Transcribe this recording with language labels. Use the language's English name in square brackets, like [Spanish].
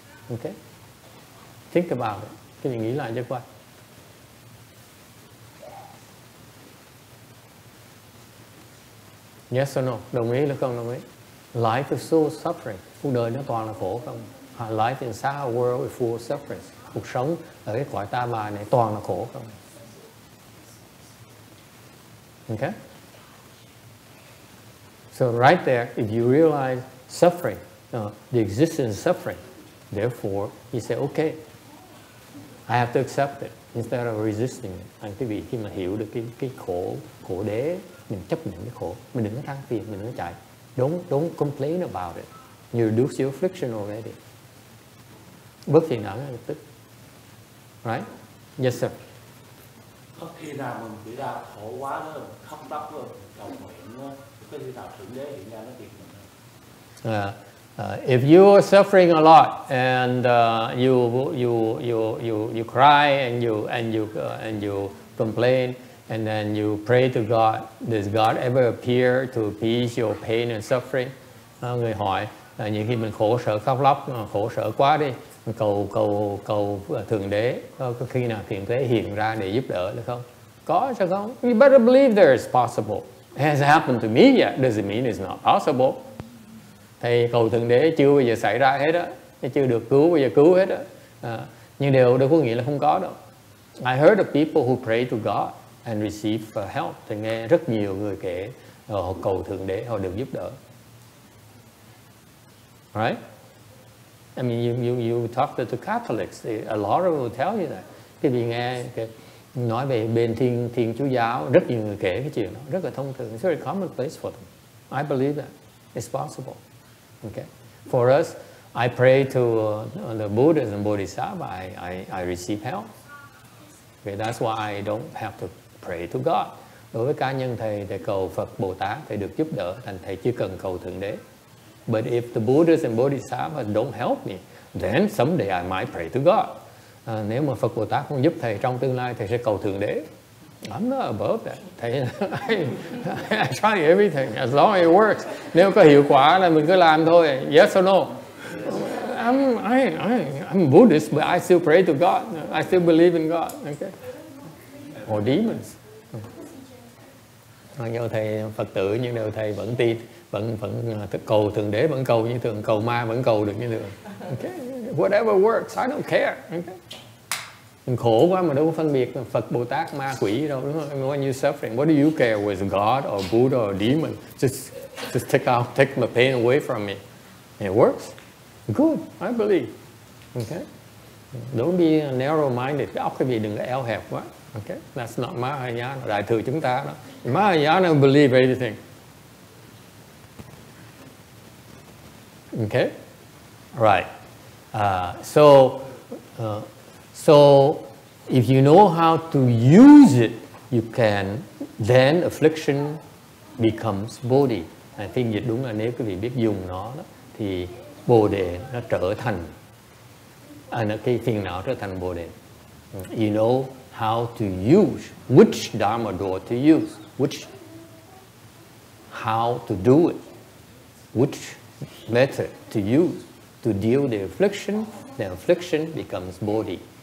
[English] Okay? Think about it. [Vietnamese] Cái gì nghĩ lại cho qua. [English] Yes or no? [Vietnamese] Đồng ý là không đồng ý? [English] Life is so suffering. [Vietnamese] Cuộc đời nó toàn là khổ không? [English] Life in the world is full of suffering. [Vietnamese] Cuộc sống ở cái quả ta bà này toàn là khổ không? [English] Okay? So right there, if you realize suffering, the existence of suffering, therefore, you say, okay, I have to accept it instead of resisting it. [Vietnamese] Anh quý vị khi mà hiểu được cái khổ, khổ đế, mình chấp nhận cái khổ, mình đừng có than phiền, mình đừng có chạy. [English] Don't complain about it. You reduce your affliction already. [Vietnamese] Bất thiện nào ngay lập tức. [English] Right? Yes, sir. [Vietnamese] Có khi nào mình chỉ ra khổ quá đó, khóc lóc rồi, cầu nguyện đó, có khi nào thượng đế hiện ra nó tìm mình. [English] If you are suffering a lot and you cry and you complain and then you pray to God, does God ever appear to appease your pain and suffering? [Vietnamese] Người hỏi, những khi mình khổ sở khóc lóc, khổ sở quá đi, cầu thượng đế có khi nào thượng đế hiện ra để giúp đỡ được không? Có chứ không? [English] You better believe there is possible. It has happened to me yet. Doesn't mean it's not possible. [Vietnamese] Thầy cầu thượng đế chưa bao giờ xảy ra hết á, chưa được cứu bao giờ cứu hết á. Nhưng điều đó có nghĩa là không có đâu. [English] I heard of people who pray to God and receive help. [Vietnamese] Thầy nghe rất nhiều người kể họ cầu thượng đế họ được giúp đỡ. [English] Right? I mean, you talk to the Catholics, a lot of them will tell you that. [Vietnamese] Cái vị nghe cái nói về bên thiên chúa giáo, rất nhiều người kể cái chuyện đó, rất là thông thường. [English] It's very commonplace for them. I believe that. It's possible. Okay. For us, I pray to the Buddhas and Bodhisattva, I receive help. Okay, that's why I don't have to pray to God. [Vietnamese] Đối với cá nhân thầy, thầy cầu Phật Bồ Tát, thầy được giúp đỡ, thành thầy chưa cần cầu Thượng Đế. [English] But if the Buddhas and Bodhisattvas don't help me, then someday I might pray to God. [Vietnamese] Nếu mà Phật Bồ Tát không giúp thầy trong tương lai, thầy sẽ cầu Thượng Đế. [English] I'm not above that. Thầy, I try everything as long as it works. [Vietnamese] Nếu có hiệu quả là mình cứ làm thôi. [English] Yes or no? I'm Buddhist, but I still pray to God. I still believe in God. Okay. Or demons. [Vietnamese] Mặc dù thầy Phật tử nhưng đều thầy vẫn tin. Vẫn cầu thượng đế vẫn cầu như thường, cầu ma vẫn cầu được như thường. Okay. [English] Whatever works, I don't care. Okay. [Vietnamese] Mình khổ quá mà đâu có phân biệt Phật, Bồ Tát, ma quỷ đâu, đúng không? [English] When you suffering, what do you care with God or Buddha or demon? Just take my pain away from me. It works. Good, I believe. Okay. Don't be narrow minded. [Vietnamese] Cái óc cái gì đừng có eo hẹp quá. Okay. [English] That's not Mahayana, [Vietnamese] đại thừa chúng ta đó. [English] Mahayana believe everything. Okay, right. So if you know how to use it, you can then affliction becomes Bodhi. I think [Vietnamese] dịch đúng là nếu quý vị biết dùng nó đó, thì Bồ đề nó trở thành cái phiền não trở thành Bồ đề. [English] You know how to use which Dharma door to use, which how to do it, which method to use to deal with the affliction becomes Bodhi.